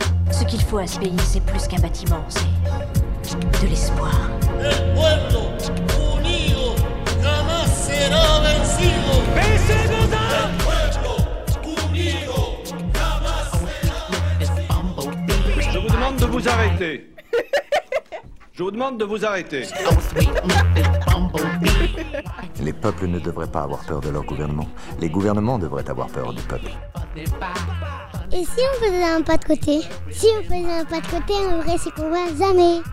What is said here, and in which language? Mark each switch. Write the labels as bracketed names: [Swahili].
[French] Ce qu'il faut à ce pays, c'est plus qu'un bâtiment, c'est de l'espoir. [Spanish] El pueblo unido jamás será vencido. ¡Vencedor! El pueblo unido jamás será vencido. [French] Je vous demande de vous arrêter. Je vous demande de vous arrêter. Les peuples ne devraient pas avoir peur de leur gouvernement. Les gouvernements devraient avoir peur du peuple. Et si on faisait un pas de côté? Si on faisait un pas de côté, on verrait ce qu'on voit jamais.